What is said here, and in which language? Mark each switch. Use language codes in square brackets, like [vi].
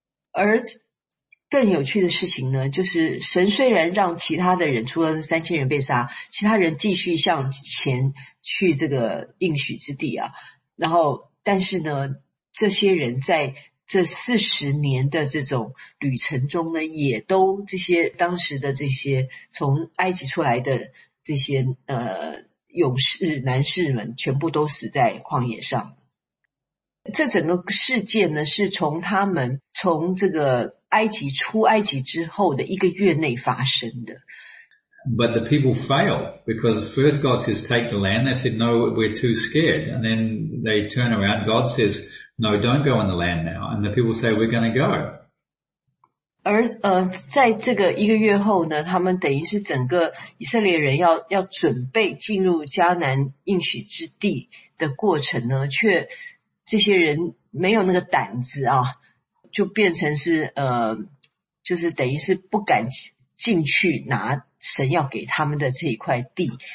[zh] 而更有趣的事情呢，就是神虽然让其他的人除了3000人被杀，其他人继续向前去这个应许之地啊，然后但是呢这些人在这40年的这种旅程中呢，也都这些当时的这些从埃及出来的这些勇士男士们全部都死在旷野上。这整个事件呢，是从他们从这个埃及出埃及之后的一个月内发生的。 [en] But the people fail, because first God says take the land, they said no, we're too scared, and then they turn around, God says,No, don't go in the land now. And the people say, we're going to go. [zh] 而在这个一个月后呢，他们等于是整个以色列人要准备进入迦南应许之地的过程呢，却这些人没有那个胆子啊，就变成是就是等于是不敢进去拿神要给他们的这一块地。